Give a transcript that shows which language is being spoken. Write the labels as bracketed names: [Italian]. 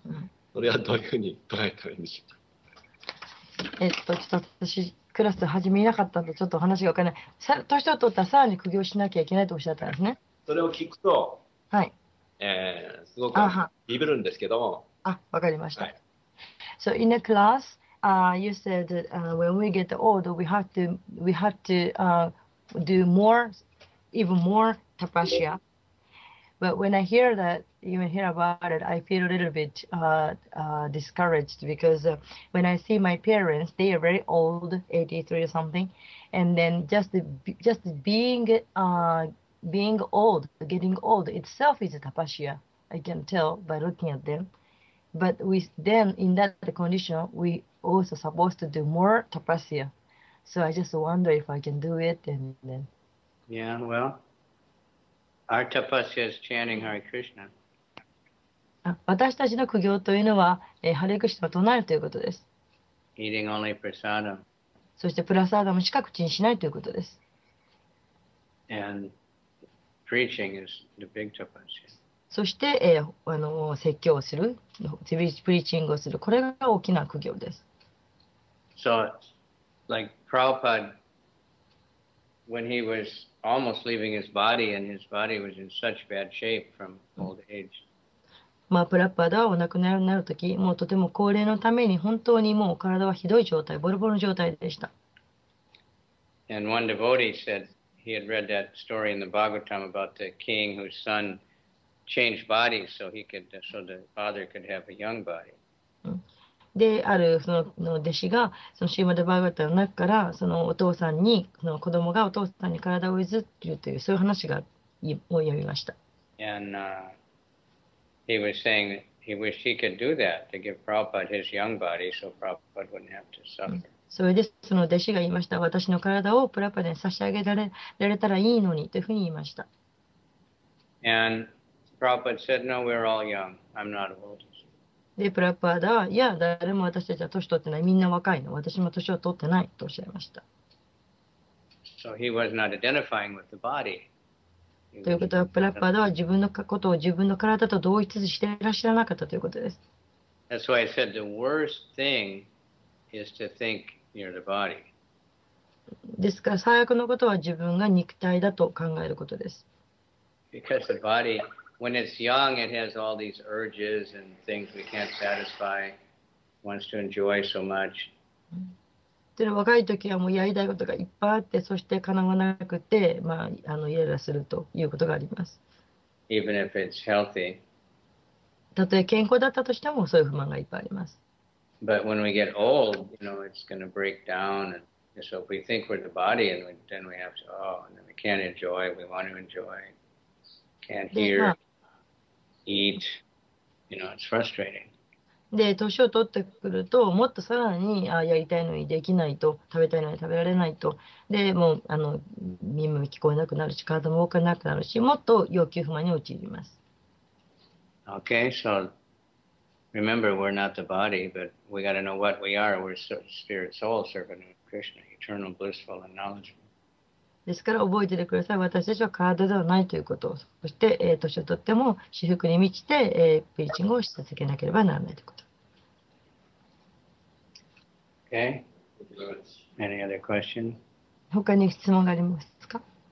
[Japanese] ちょっと私、クラス始めなかったんで、ちょっと話が分からない。さ、年を取ったらさらに苦行しなきゃいけないとおっしゃったんですね。それを聞くと、はい、すごくビビるんですけど。あ、わかりました。 [English] はい、so in the class, you said when we get old, we have to do more, even more tapasya. But when I hear that, even hear about it, I feel a little bit discouraged because when I see my parents, they are very old, 83 or something, and then just being old, getting old itself is a tapasya. I can tell by looking at them. But with them in that condition, we also supposed to do more tapasya. So I just wonder if I can do it and then. Yeah, well, our tapasya is chanting Hare Krishna. [Japanese] 私たちの苦行というのは、ハレクシナを唱えるということです。 [English] Eating only prasadam. [Japanese] そしてプラサーダムしか口にしないということです。 [English] And preaching is the big tapasya. [Japanese] そして、説教をする、プリーチングをする、これが大きな苦行です。 [English] So, like Prabhupada, when he was almost leaving his body, and his body was in such bad shape from old age. [Japanese] まあ、プラッパーダはお亡くなりになるとき、もうとても高齢のために本当にもう体はひどい状態、ボロボロの状態でした。 [English] And one devotee said he had read that story in the Bhagavatam about the king whose son changed bodies so he could, so the father could have a young body. [Japanese] で、あるその弟子が、そのシーマド・バーガータの中から、そのお父さんに、その子供がお父さんに体を譲ってるという、そういう話がを読みました。 [English] And, He was saying that he wished he could do that to give Prabhupada his young body so Prabhupada wouldn't have to suffer. [Japanese] それでその弟子が言いました。私の体をプラパダに差し上げられたらいいのにというふうに言いました。 [English] And Prabhupada said, no, we're all young. I'm not old. [Japanese] で、プラパダは、いや、誰も私たちは年取ってない。みんな若いの。私も年を取ってないとおっしゃいました。 [English] So he was not identifying with the body. [Japanese] ということは、プラッパーダは自分のことを自分の体と同一していらっしゃらなかったということです。 [English] That's why I said the worst thing is to think you're the body. [Japanese] ですから、最悪のことは自分が肉体だと考えることです。 [English] Because the body, when it's young, it has all these urges and things we can't satisfy, wants to enjoy so much. [Japanese] で若い時はもうやりたいことがいっぱいあって、そして叶わなくて、まあ、イライラするということがあります。 [English] Even if it's healthy. [Japanese] たとえ健康だったとしても、そういう不満がいっぱいあります。 [English] But when we get old, you know, it's going to break down. And so if we think we're the body, and we, then we have to, oh, and then we can't enjoy, we want to enjoy, can't hear, eat, you know, it's frustrating. [Japanese] で、年を取ってくると、もっとさらに、あ、やりたいのにできないと、食べたいのに食べられないと、で、もう、耳も聞こえなくなるし、体も動かなくなるし、もっと要求不満に陥ります。 [English] Okay, so remember, we're not the body, but we gotta know what we are. We're spirit soul servant of Krishna, eternal, blissful, and knowledgeable. [Japanese] ですから、覚えててください。私たちは体ではないということを。そして、年を取っても、至福に満ちて、プリーチングをし続けなければならないということ。 [English] Okay. Any other question? [Japanese] 他に質問がありますか？